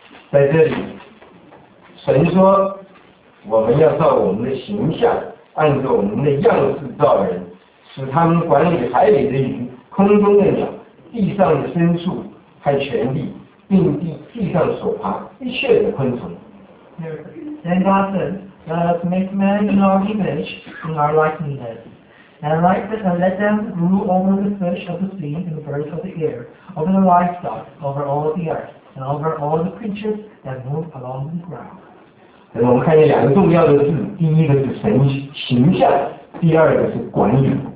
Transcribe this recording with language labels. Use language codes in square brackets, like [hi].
[zh] 在这里，神说，我们要照我们的形象。按照我们的样式造人，使他们管理海里的鱼、空中的鸟、地上的牲畜和全地，并地上所爬一切的昆虫。 [en] Then God said, "Let us make man in our image, in our likeness, and let them rule over the fish of the sea, and the birds of the air, over the livestock, over all the earth, and over all the creatures that move along the ground." [zh] 我们看见两个重要的字，第一个是神形象，第二个是管理。